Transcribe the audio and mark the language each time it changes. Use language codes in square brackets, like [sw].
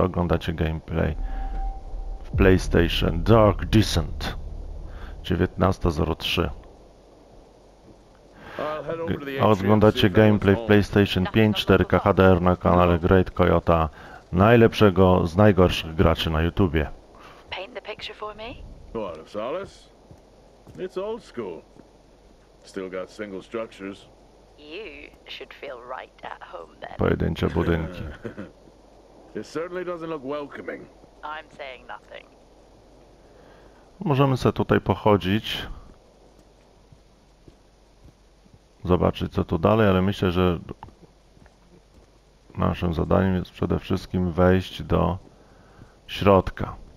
[pl] Oglądacie gameplay w PlayStation Dark Descent 19.03. Oglądacie gameplay w PlayStation 5, 4K HDR na kanale Great Coyota, najlepszego z najgorszych graczy na YouTubie. [en] Paint the picture for me? What, of Solis? It's old school. Still got single structures. You should feel right at home then. [pl] Pojedyncze budynki. [en] It certainly doesn't look welcoming. I'm saying nothing. [pl] Możemy sobie tutaj pochodzić. Zobaczyć, co tu dalej, ale myślę, że naszym zadaniem jest przede wszystkim wejść do środka.